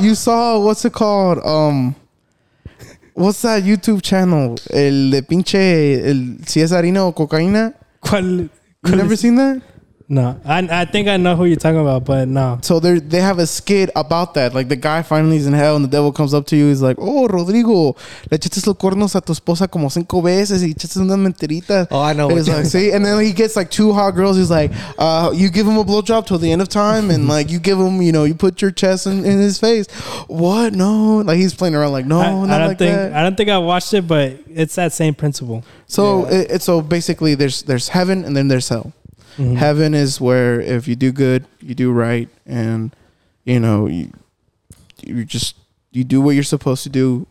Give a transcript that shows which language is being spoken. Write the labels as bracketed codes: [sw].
[en] You saw, what's it called? What's that YouTube channel? [es] El de pinche, el si es harina o cocaína? ¿Cuál [en] you never seen that? No. I think I know who you're talking about, but no. So they have a skit about that. Like, the guy finally is in hell and the devil comes up to you. He's like, oh, [es] Rodrigo, le echaste los cornos a tu esposa como cinco veces y echaste una mentirita. [en] Oh, I know. And he's like, see? And then he gets like two hot girls. He's like, you give him a blowjob till the end of time and like you give him, you know, you put your chest in his face. What? No. Like, he's playing around like, no, I don't think I watched it, but it's that same principle. So yeah. So basically there's heaven and then there's hell. Mm-hmm. Heaven is where if you do good, you do right, and you know, you do what you're supposed to do.